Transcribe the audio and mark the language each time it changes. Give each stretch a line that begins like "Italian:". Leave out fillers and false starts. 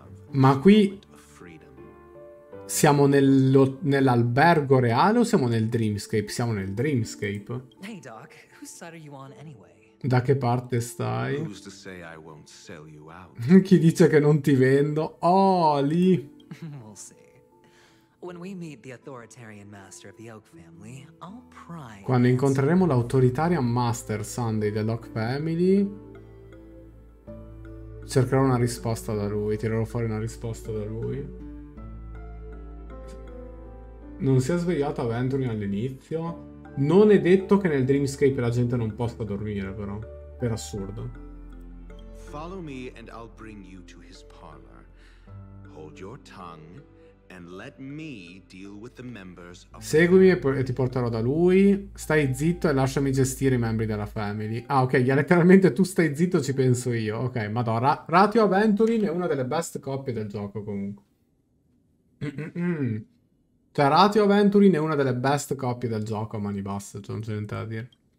Italian: Ma qui siamo nell'albergo reale o siamo nel Dreamscape? Siamo nel Dreamscape.
English: Hey Doc, whose side are you on anyway?
Italian: Da che parte stai?
English: Who's to say I won't sell you out?
Italian: Chi dice che non ti vendo? Oh, lì!
English: We'll see. When we meet the authoritarian master of the Oak family, I'll pry.
Italian: Quando incontreremo l'
English: autoritarian master
Italian: Sunday dell'Oak family, cercherò una risposta da lui, tirerò fuori una risposta da lui. Non si è svegliato Aventurine all'inizio? Non è detto che nel Dreamscape la gente non possa dormire, però. Per assurdo. Follow me and I'll bring you to his parlor. Hold your tongue and let me deal with the members of. Seguimi e ti porterò da lui. Stai zitto e lasciami gestire i membri della family. Ah, ok, letteralmente tu stai zitto, ci penso io. Ok, madonna. Ratio Aventurine è una delle best coppie del gioco, comunque. Cioè, Ratio Venturin è una delle best copie del gioco a mani basse, cioè non c'è niente da dire.